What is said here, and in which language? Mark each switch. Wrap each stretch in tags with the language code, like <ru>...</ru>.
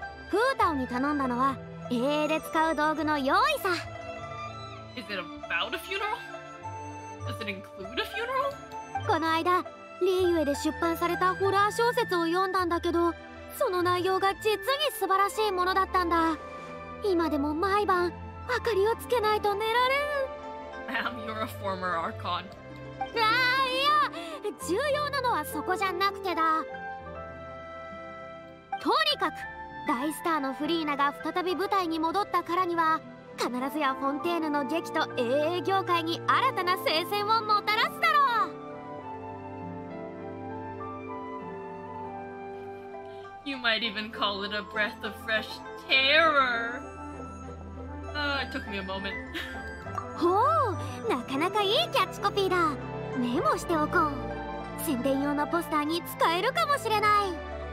<ja>フータオに頼んだのは、家で使う道具の用意さ。</ja> <en>Is it about a funeral? Does it include a funeral?</en> <ja>この間リーユエで出版されたホラー小説を読んだんだけど、その内容が実に素晴らしいものだったんだ。今でも毎晩明かりをつけないと寝られん。</ja> <en>Ma'am, you're a former archon。</en> <ja>あー、いや、重要なのはそこじゃなくてだ。とにかく大スターのフリーナが再び舞台に戻ったからには、必ずやフォンテーヌの劇と英英業界に新たな聖戦をもたらすだろう。</ja> <en>You might even call it a breath of fresh terror. It took me a moment.</en> <ja>Oh, なかなかいいキャッチコピーだ。メモしておこう。宣伝用のポスターに使えるかもしれない。</ja>